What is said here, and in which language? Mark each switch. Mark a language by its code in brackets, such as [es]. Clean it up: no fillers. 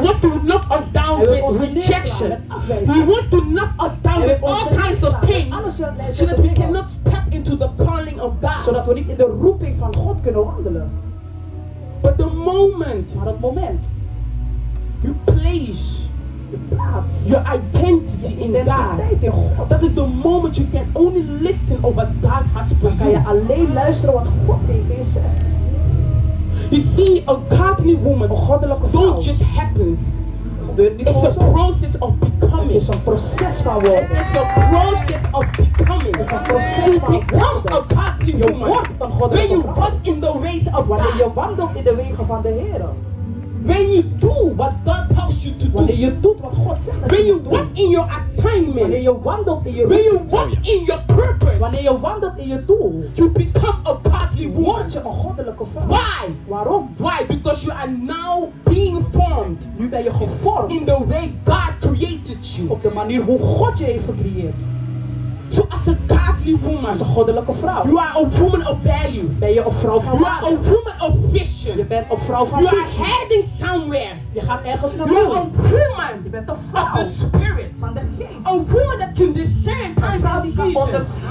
[en] He wants to knock us down with rejection. He wants to knock us down with all kinds of pain. So that we cannot step into the calling of God. [nl] Zodat we niet in de roeping van God kunnen wandelen. [en] But the moment, [nl] maar het moment, [en] you place [nl] je plaats, [en] your identity in God, in God, that is the moment you can only listen to what God has for [nl] dan [en] you. [nl] Kan je alleen luisteren wat God tegen je zegt. [en] You see, a godly woman, [nl] een goddelijke vrouw, [en] don't just happens. [nl] Het is een proces van becoming. Het is een proces van worden. Het is een proces van becoming. Het is een proces van [en] become a godly woman. [nl] Je wordt een goddelijke [en] when you walk in the ways of God. [nl] Wanneer je wandelt in de wegen van de Heer. [en] When you do what God tells you to do. [nl] Wanneer je doet wat God zegt dat [en] when [nl] je moet doen. [en] When you walk in your assignment. [nl] Wanneer je wandelt in je [en] when you walk in your purpose. [nl] Wanneer je wandelt in je doel. [en] You become a godly woman. [nl] Word je een goddelijke vrouw. [en] Why? [nl] Waarom? [en] Why? Because you are now being formed. [nl] Nu ben je gevormd. [en] In the way God created you. [nl] Op de manier hoe God je heeft gecreëerd. [en] So as a godly woman, [nl] als een goddelijke vrouw, [en] you are a woman of value. [nl] Ben je een vrouw van waarde? [en] You are a woman of vision. [nl] Je bent een vrouw van [en] you are heading somewhere. [nl] Je gaat ergens naartoe. [en] You are a woman. [nl] Je bent een vrouw. [en] Of the spirit. [nl] Van de geest. [en] A woman that can discern times and seasons.